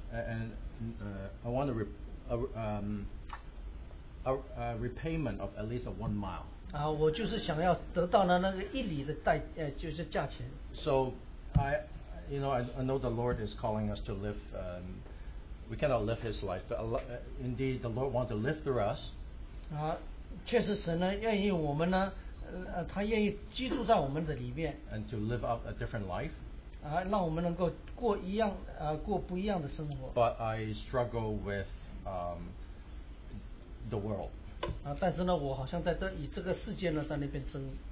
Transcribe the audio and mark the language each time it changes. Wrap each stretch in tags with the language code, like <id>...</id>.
<en>And I want a repayment of at least 1 mile.</en> <zh>我就是想要得到呢那个一里的代，就是价钱。</zh> <en>So, I know the Lord is calling us to live. We cannot live His life, but indeed the Lord wants to live through us.</en> <zh>确实神呢愿意我们呢，他愿意居住在我们的里面。</zh> <en>And to live out a different life.</en> <zh>让我们能够过不一样的生活。</zh> <en>But I struggle with the world.</en> <zh>但是呢，我好像在这以这个世界呢在那边争。</zh>